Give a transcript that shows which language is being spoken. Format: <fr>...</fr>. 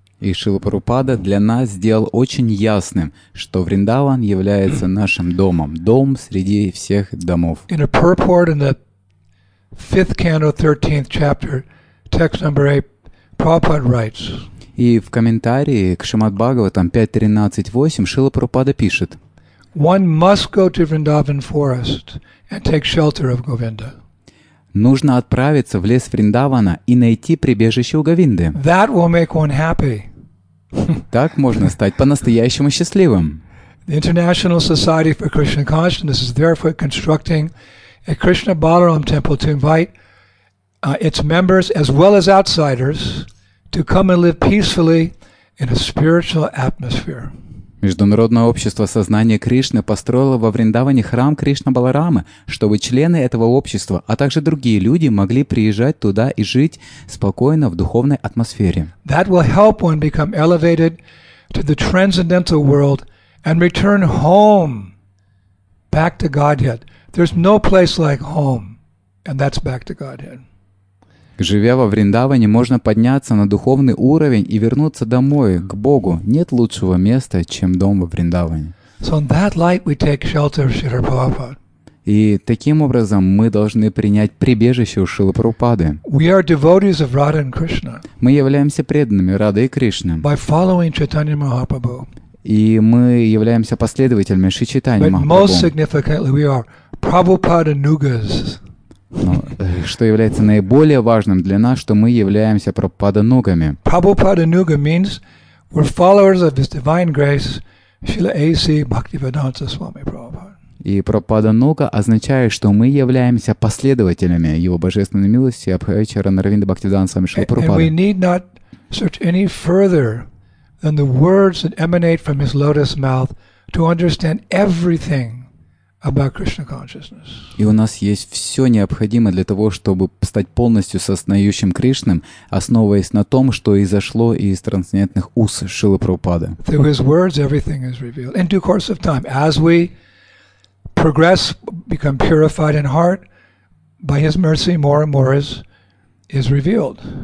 <ru>И Шрила Прабхупада для нас сделал очень ясным, что Вриндаван является нашим домом, дом среди всех домов.</ru> <en>In a purport in the 5th canto, 13th chapter, text number 8, Prabhupada writes.</en> <ru>И в комментарии к Шримад Бхагаватам 5.13.8 Шрила Прабхупада пишет.</ru> <en>One must go to Vrindavan forest and take shelter of Govinda.</en> <ru>Нужно отправиться в лес Вриндавана и найти прибежище у Говинды.</ru> <en>That will make one happy.</en> <ru>Так можно стать по-настоящему счастливым.</ru> <en>The International Society for Krishna Consciousness is therefore constructing a Krishna Balaram temple to invite its members as well as outsiders to come and live peacefully in a spiritual atmosphere.</en> <ru>Международное общество сознания Кришны построило во Вриндаване храм Кришна Баларамы, чтобы члены этого общества, а также другие люди могли приезжать туда и жить спокойно в духовной атмосфере.</ru> <en>That will help one become elevated to the transcendental world and return home back to Godhead. There's no place like home, and that's back to Godhead.</en> <ru>Живя во Вриндаване, можно подняться на духовный уровень и вернуться домой, к Богу. Нет лучшего места, чем дом во Вриндаване.</ru> <en>So in that light we take shelter of Shri Prabhupada.</en> <ru>И таким образом мы должны принять прибежище у Шрилы Прабхупады.</ru> <en>We are devotees of Radha and Krishna.</en> <ru>Мы являемся преданными Радхи и Кришны.</ru> <en>By following Chaitanya Mahaprabhu.</en> <ru>И мы являемся последователями Шри Чайтаньи</ru> <en>Махапрабху. But most significantly we are Prabhupada Nugas.</en> <ru>Но, что является наиболее важным для нас, что мы являемся Прабхупада-нугами.</ru> <en>Прабхупада-нуга means we're followers of His divine grace, Srila A.C. Bhaktivedanta Swami Prabhupada.</en> <ru>И Прабхупада-нуга означает, что мы являемся последователями Его божественной милости, Абхайчара Нарвинда Бхактивиданта Свами Шрила Прабхупада.</ru> <en>And we need not search any further than the words that emanate from His lotus mouth to understand everything about Krishna consciousness.</en> <ru>И у нас есть все необходимое для того, чтобы стать полностью сознающим Кришным, основываясь на том, что изошло из трансцендентных ус Шрилы Прабхупады.</ru> <en>Through his words, everything is revealed. In due course of time, as we progress, become purified in heart, by his mercy, more and more is revealed.</en>